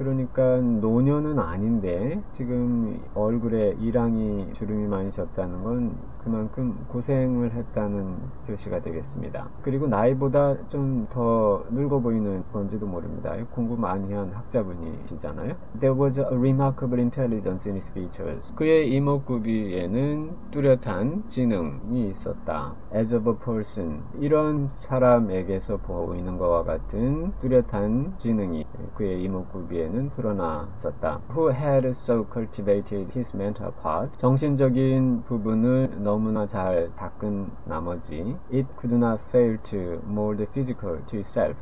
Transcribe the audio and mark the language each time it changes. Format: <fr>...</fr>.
<ko>그러니까 노년은 아닌데 지금 얼굴에 이랑이 주름이 많이 졌다는 건 그만큼 고생을 했다는 표시가 되겠습니다. 그리고 나이보다 좀더 늙어 보이는 건지도 모릅니다. 공부 많이 한 학자분이시잖아요.</ko> <en>There was a remarkable intelligence in his features.</en> <ko>그의 이목구비에는 뚜렷한 지능이 있었다.</ko> <en>As of a person,</en> <ko>이런 사람에게서 보이는 것과 같은 뚜렷한 지능이 그의 이목구비에는 드러나 있었다.</ko> <en>Who had so cultivated his mental part?</en> <ko>정신적인 부분을 너무나 잘 닦은 나머지</ko> <en>It could not fail to mold the physical to itself.</en>